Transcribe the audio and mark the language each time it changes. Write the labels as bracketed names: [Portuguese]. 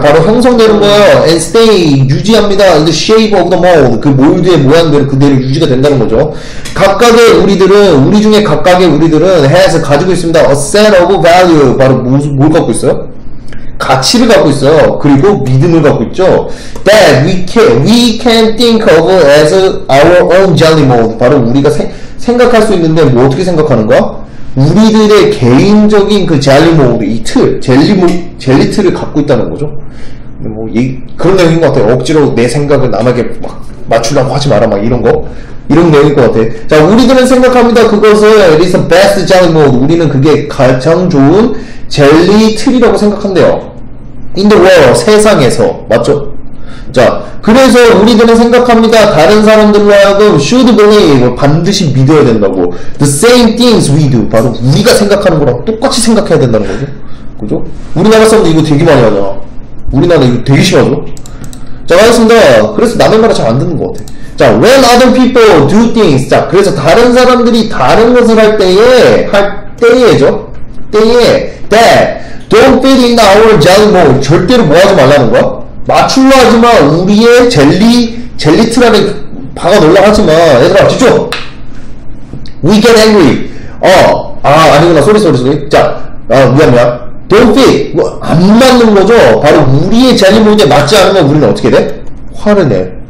[Korean] 바로 형성되는 거예요. [English] And stay. [Korean] 유지합니다. [English] In the shape of the mold. [Korean] 그 몰드의 모양대로 그대로 유지가 된다는 거죠. 각각의 우리들은, 우리 중에 각각의 우리들은 [English] has [Korean] 가지고 있습니다. [English] A set of value. [Korean] 바로 뭘 갖고 있어요? 가치를 갖고 있어요. 그리고 믿음을 갖고 있죠. [English] That we can think of as our own jelly mold. [Korean] 바로 우리가 생각할 수 있는데 뭐 어떻게 생각하는 거야? 우리들의 개인적인 그 젤리 몰드, 이 틀, 젤리 틀을 갖고 있다는 거죠. 뭐 그런 내용인 것 같아요. 억지로 내 생각을 남에게 막 맞추려고 하지 마라, 막 이런 거. 이런 내용인 것 같아요. 자, 우리들은 생각합니다. 그것을, [English] it is the best jelly mold. [Korean] 우리는 그게 가장 좋은 젤리 틀이라고 생각한대요. [English] In the world, [Korean] 세상에서. 맞죠? 자, 그래서 우리들은 생각합니다. 다른 사람들로 하여금 [English] should believe, [Korean] 반드시 믿어야 된다고. [English] The same things we do, [Korean] 바로 우리가 생각하는 거랑 똑같이 생각해야 된다는 거죠. 그죠? 우리나라 사람들 이거 되게 많이 하잖아. 우리나라 이거 되게 심하죠? 자, 알겠습니다. 그래서 남의 말을 잘 안 듣는 것 같아. 자, [English] when other people do things, [Korean] 자, 그래서 다른 사람들이 다른 것을 할 때에죠? 때에, [English] that don't fit in our jelly mold, [Korean] 절대로 뭐 하지 말라는 거야? 맞추려 하지마. 우리의 젤리 틀 안에 박아놀라 하지마. 얘들아, 뒤쪽! [English] We get angry. [Korean] 아니구나. 쏘리. 자, 미안. [English] Don't fit. [Korean] 뭐, 안 맞는 거죠? 바로 우리의 젤리 몰드에 맞지 않으면 우리는 어떻게 돼? 화를 내.